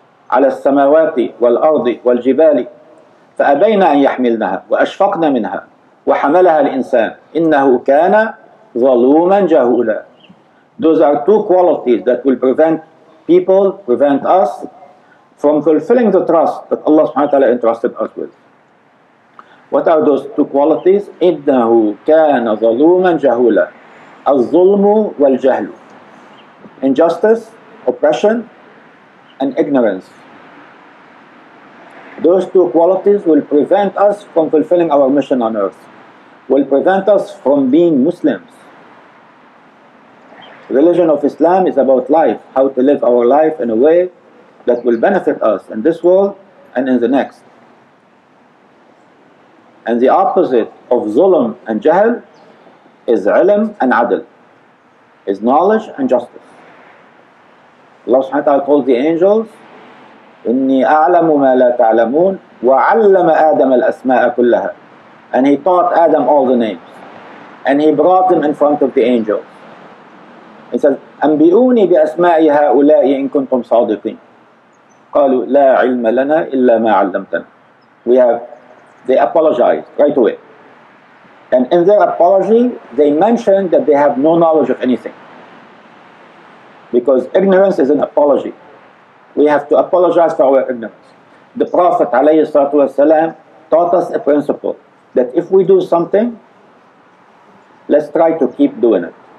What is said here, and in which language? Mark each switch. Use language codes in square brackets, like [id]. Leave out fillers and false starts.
[ar] على السماوات والأرض والجبال فأبينا أن يحملنها وأشفقنا منها وحملها الإنسان إنه كان ظلوما جهولا. [en] Those are two qualities that will prevent people, prevent us from fulfilling the trust that Allah subhanahu wa ta'ala entrusted us with. What are those two qualities? [ar] إنه كان ظلوما جهولا. الظلم والجهل. [en] Injustice, oppression, and ignorance. Those two qualities will prevent us from fulfilling our mission on earth, will prevent us from being Muslims. Religion of Islam is about life, how to live our life in a way that will benefit us in this world and in the next. And the opposite of zulm and jahl is ilm and adl, is knowledge and justice. Allah subhanahu wa ta'ala told the angels, [ar] إني أعلم ما لا تعلمون وعلم آدم الأسماء كلها. [en] And he taught Adam all the names. And he brought them in front of the angels. He said, [ar] أنبئوني بأسماء هؤلاء إن كنتم صادقين. قالوا لا علم لنا إلا ما علمتنا. [en] They apologized right away. And in their apology, they mentioned that they have no knowledge of anything. Because ignorance is an apology. We have to apologize for our ignorance. The Prophet والسلام, taught us a principle that if we do something, let's try to keep doing it.